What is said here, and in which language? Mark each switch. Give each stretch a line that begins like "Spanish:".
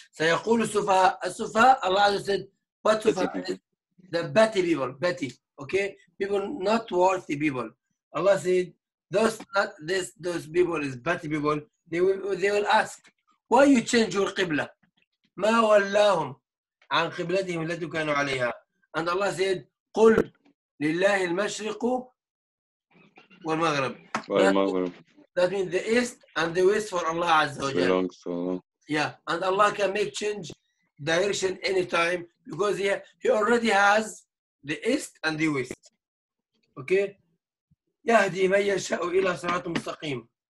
Arabic: سيقول السفهاء. السفهاء,
English: Allah said, what
Arabic: سفهاء?
English: The batty people, batty. Okay? People not worthy people. Allah said, those people is batty people. They will ask, why you change your qibla?
Arabic: ما ولاهم عن قبلتهم التي كانوا عليها.
English: And Allah said,
Arabic: قل لله المشرق والمغرب.
English: That means the east and the west for Allah Azza wa Jalla. Yeah, and Allah can make change direction anytime because he already has the east and the west. Okay?
Arabic: يهدي من يشاء إلى صراط مستقيم.